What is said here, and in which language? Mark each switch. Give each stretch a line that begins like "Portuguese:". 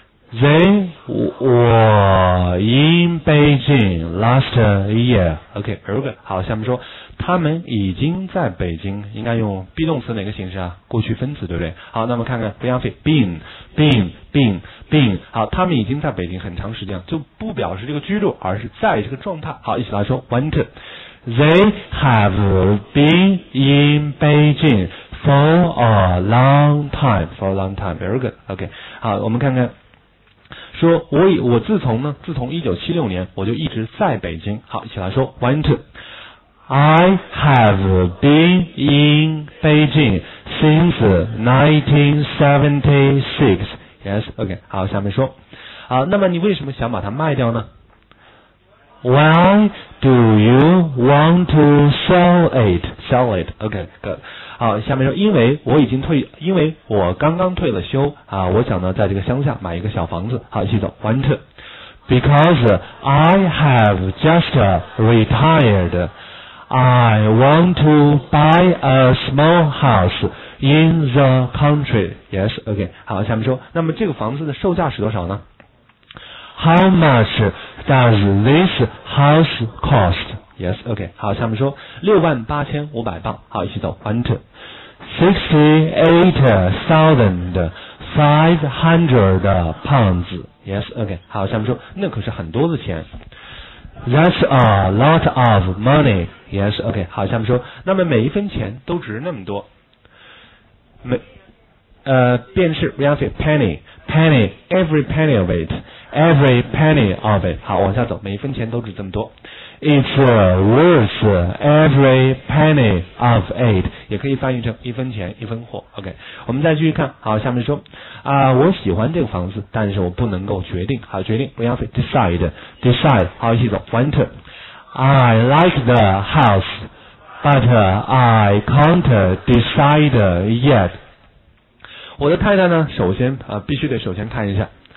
English: They were in Beijing last year. OK, very good.
Chinese: 好，下面说，他们已经在北京，应该用
English: be
Chinese: 动词哪个形式啊？过去分词，对不对？好，那么看看 ，
English: been, been, been, been.
Chinese: 好，他们已经在北京很长时间，就不表示这个居住，而是在这个状态。好，一起来说 ，
English: went. They have been in Beijing for a long time. For a long time, very good. OK,
Chinese: 好，我们看看。说我自从呢，自从1976年我就一直在北京。好，一起来说 ，
English: went to. I have been in Beijing since 1976. Yes, OK.
Chinese: 好，下面说，啊，那么你为什么想把它卖掉呢
English: ？Why do you want to sell it? Sell it. OK, good.
Chinese: 好，下面说，因为我刚刚退了休啊，我想呢，在这个乡下买一个小房子。好，一起走 ，one two.
English: Because I have just retired, I want to buy a small house in the country. Yes, OK.
Chinese: 好，下面说，那么这个房子的售价是多少呢
English: ？How much does this house cost? Yes, OK.
Chinese: 好，下面说68,500磅。好，一起走 ，
English: one two, 68,500 pounds. Yes, OK.
Chinese: 好，下面说，那可是很多的钱。
English: That's a lot of money. Yes, OK,
Chinese: 好，下面说，那么每一分钱都值那么多，便是
English: penny, penny, every penny of it,
Chinese: every penny of it, 好，往下走，每一分钱都值这么多。
English: It's worth every penny of it,
Chinese: 也可以翻译成一分钱一分货。
English: OK,
Chinese: 我们再继续看，好，下面说，我喜欢这个房子，但是我不能够决定，好，决定
English: decide, decide,
Chinese: 好，一起走 ,
English: winter. I like the house, but I can't decide yet.
Chinese: 我的太太呢，首先啊，必须得首先看一下。